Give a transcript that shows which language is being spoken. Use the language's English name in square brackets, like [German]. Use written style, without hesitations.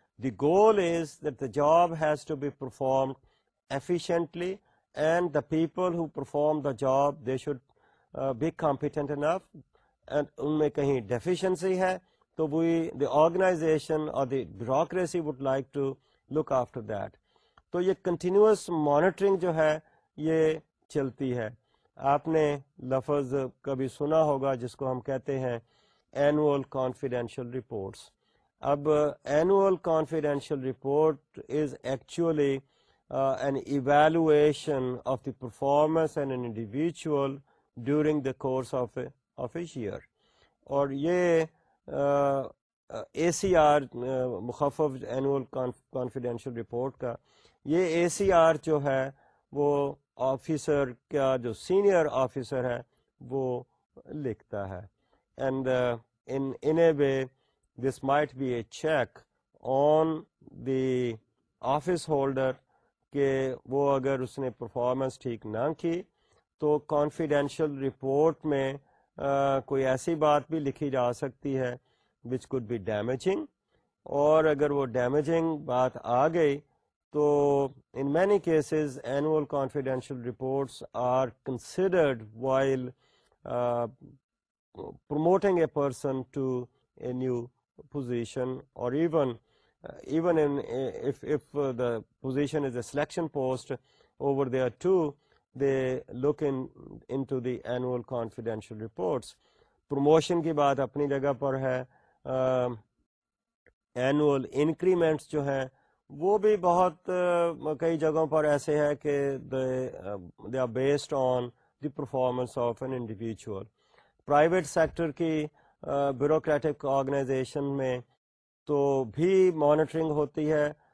[English] The goal is that the job has to be performed efficiently and the people who perform the job, they should be competent enough [Urdu] ان میں کہیں deficiency ہے تو وہ [English] The organisation اور the bureaucracy would like to look after that. [Urdu] تو یہ continuous monitoring جو ہے یہ چلتی ہے. آپ نے لفظ کبھی سنا ہوگا جس کو ہم کہتے ہیں اینوئل کانفیڈینشیل رپورٹس. اب [English] Annual confidential report is actually an evaluation of the performance and an individual during the course of a year. [Urdu] اور یہ اے C R مخفف annual confidential report کا, یہ اے سی آر جو ہے وہ آفیسر کا جو سینئر آفیسر ہے وہ لکھتا ہے. [English] and in a way this might be a check on the office holder [Urdu] کہ وہ اگر اس نے پرفارمنس ٹھیک نہ کی تو کانفیڈینشیل رپورٹ میں کوئی ایسی بات بھی لکھی جا سکتی ہے [English] Which could be damaging. [Urdu] اور اگر وہ ڈیمیجنگ بات آ گئی تو [English] In many cases annual confidential reports are considered while promoting a person to a new position اور even if the position is a selection post over there to they look in to the annual confidential reports. [Urdu] Promotion کی بات اپنی جگہ پر ہے. Annual increments جو ہیں وہ بھی بہت کئی جگہوں پر ایسے ہے کہ [English] They are based on the performance of an individual. [Urdu] Private sector کی بیوروکریٹک آرگنائزیشن میں تو بھی مانیٹرنگ ہوتی ہے.